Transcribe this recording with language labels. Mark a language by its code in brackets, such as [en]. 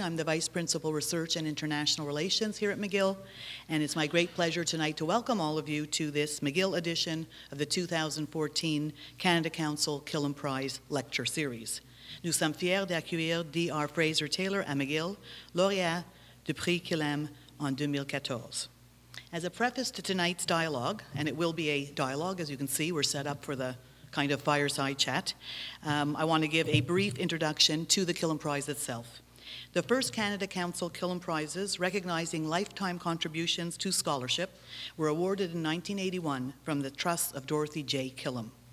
[en] I'm the Vice Principal Research and International Relations here at McGill, and it's my great pleasure tonight to welcome all of you to this McGill edition of the 2014 Canada Council Killam Prize Lecture Series. [fr] Nous sommes fiers d'accueillir Dr. Fraser Taylor à McGill, Laureate du Prix Killam en 2014. [en] As a preface to tonight's dialogue, and it will be a dialogue, as you can see, we're set up for the kind of fireside chat, I want to give a brief introduction to the Killam Prize itself. The first Canada Council Killam Prizes, recognizing lifetime contributions to scholarship, were awarded in 1981 from the Trust of Dorothy J. Killam.